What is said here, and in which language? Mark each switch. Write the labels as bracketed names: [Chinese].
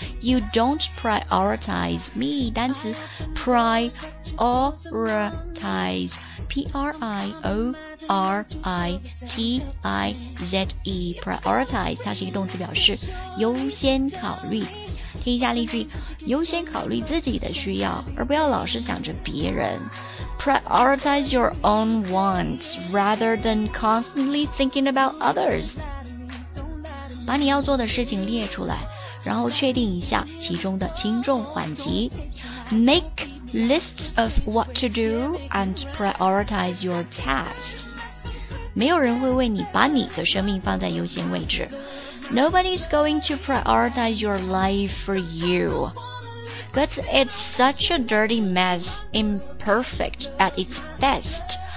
[English] You don't prioritize me. [Chinese] 单词 prioritize, P-R-I-O-R-I-T-I-Z-E, prioritize, 它是一个动词表示优先考虑。听一下例句，优先考虑自己的需要，而不要老是想着别人。 [English] Prioritize your own wants rather than constantly thinking about others. [Chinese] 把你要做的事情列出来，然后确定一下其中的轻重缓急。 [English] Make lists of what to do and prioritize your tasks. [Chinese] 没有人会为你把你的生命放在优先位置。 [English] Nobody's going to prioritize your life for you. But it's such a dirty mess, imperfect at its best.